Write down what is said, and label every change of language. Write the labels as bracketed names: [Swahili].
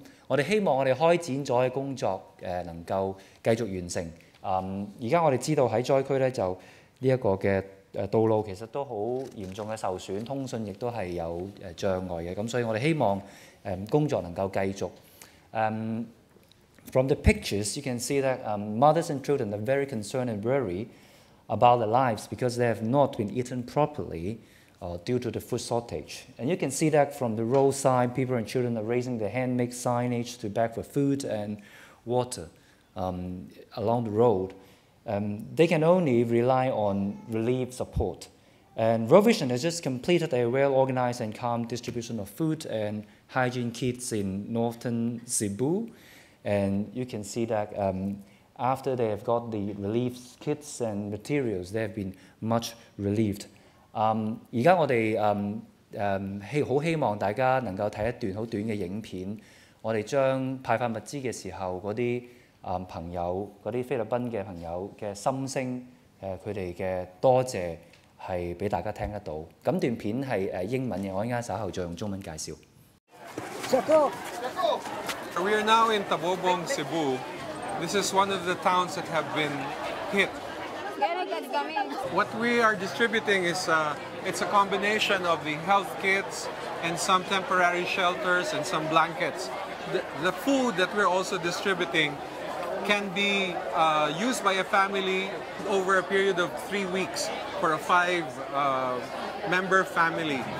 [Chinese] 我們希望我們開展了的工作能夠繼續完成。現在我們知道在災區就這個的道路其實都很嚴重的受損，通訊也都是有障礙的，所以我們希望工作能夠繼續。 [English] From the pictures, you can see that mothers and children are very concerned and worried about their lives because they have not been eaten properly due to the food shortage. And you can see that from the roadside, people and children are raising their hand, make signage to beg for food and water along the road. They can only rely on relief support. And Rovision has just completed a well-organized and calm distribution of food and hygiene kits in northern Cebu. And you can see that after they have got the relief kits and materials, they have been much relieved. [Chinese] 現在我們很希望大家能夠看一段很短的影片，我們將派發物資的時候那些朋友，那些菲律賓的朋友的心聲，他們的多謝是給大家聽得到。那段片是英文的，我稍後再用中文介紹。 [English] We are now in Tabobong, Cebu. This is one of the towns that have been hit. What we are distributing is it's a combination of the health kits and some temporary shelters and some blankets. The food that we're also distributing can be used by a family over a period of 3 weeks for a five-member family.